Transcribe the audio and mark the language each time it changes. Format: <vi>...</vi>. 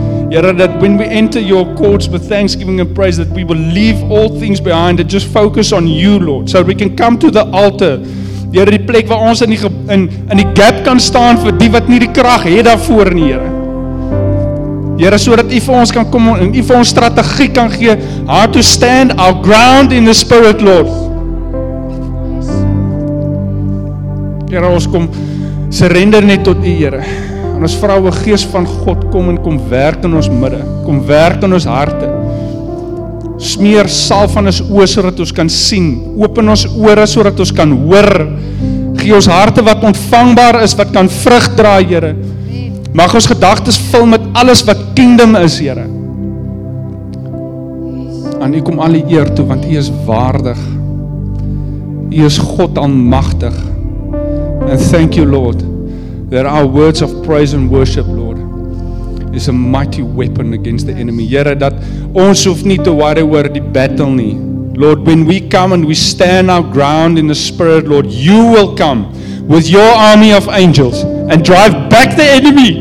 <en>Here, that when we enter Your courts with thanksgiving and praise, that we will leave all things behind and just focus on You, Lord, so we can come to the altar.</en> <af>Here, die plek waar ons in die gap kan staan vir die wat nie die krag het daarvoor nie, Here. Here, sodat U vir ons kan kom en U vir ons strategie kan gee,</af> <en>how to stand our ground in the spirit, Lord.</en> <af>Here, ons kom surrender net tot U, Here. En ons vra, o Gees van God, kom en kom werk in ons midde, kom werk in ons harte. Smeer sal van ons oë sodat ons kan sien, open ons ore sodat ons kan hoor. Gee ons harte wat ontvangbaar is, wat kan vrug dra, Here. Mag ons gedagtes vul met alles wat kingdom is, Here. Aan U kom al die eer toe, want U is waardig. U is God almagtig.</af> <en>And thank You, Lord, that our words of praise and worship, Lord, is a mighty weapon against the enemy.</en> <af>Here, dat ons hoef nie te worry oor die battle nie.</af> <en>Lord, when we come and we stand our ground in the spirit, Lord, You will come with Your army of angels and drive back the enemy.</en>